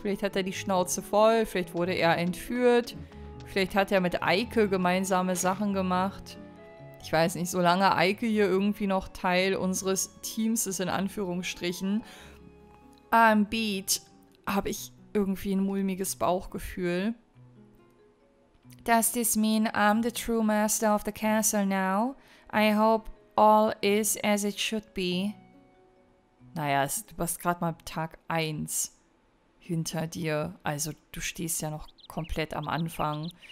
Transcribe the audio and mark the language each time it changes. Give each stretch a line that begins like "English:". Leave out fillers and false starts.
German: Vielleicht hat er die Schnauze voll. Vielleicht wurde er entführt. Vielleicht hat er mit Eike gemeinsame Sachen gemacht. Ich weiß nicht, solange Eike hier irgendwie noch Teil unseres Teams ist, in Anführungsstrichen, am Beat, habe ich irgendwie ein mulmiges Bauchgefühl.
English: Does this mean I'm the true master of the castle now? I hope all is as it should be.
German: Naja, du warst gerade mal Tag 1 hinter dir. Also du stehst ja noch komplett am Anfang.